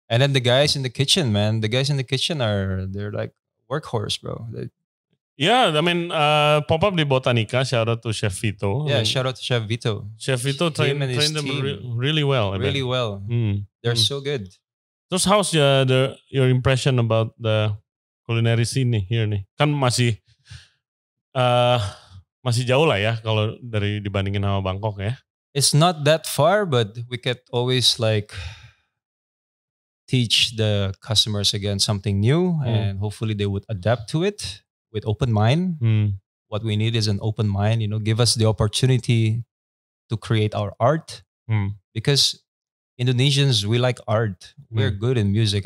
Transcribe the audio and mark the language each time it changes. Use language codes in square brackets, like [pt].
[en] And then the guys in the kitchen, man. The guys in the kitchen are, they're like, workhorse, bro. Yeah, I mean, pop up di Botanica. Shout out to Chef Vito. Yeah, shout out to Chef Vito. Chef Vito trained them really well. Really well. Mm. They're so good. [id] Terus, [en] how's your impression about the culinary scene nih, here nih? [id] Kan masih masih jauh lah ya kalau dari dibandingin sama Bangkok ya. [en] It's not that far, but we could always like teach the customers again something new and hopefully they would adapt to it with open mind. Mm. What we need is an open mind, you know, give us the opportunity to create our art because Indonesians, we like art. Mm. We're good in music.